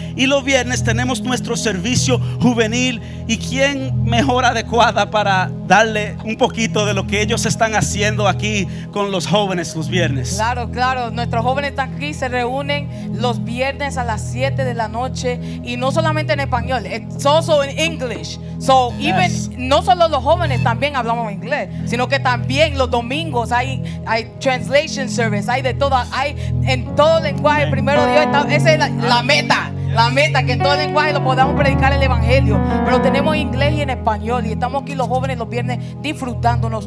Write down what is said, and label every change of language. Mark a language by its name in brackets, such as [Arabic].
[Spanish] Y los viernes tenemos nuestro servicio juvenil. Y quién mejor adecuada para darle un poquito de lo que ellos están haciendo aquí con los jóvenes los viernes. Claro, claro, nuestros jóvenes están aquí, se reúnen los viernes a las 7 de la noche. Y no solamente en español, [English] it's also in English. So even, yes, [Spanish] no solo los jóvenes también hablamos inglés, sino que también los domingos hay translation service, hay de todo, hay en todo lenguaje. Amen. Primero Dios, esa es la meta. La meta, que en todo lenguaje lo podamos predicar el evangelio. Pero tenemos inglés y en español. Y estamos aquí los jóvenes los viernes disfrutándonos.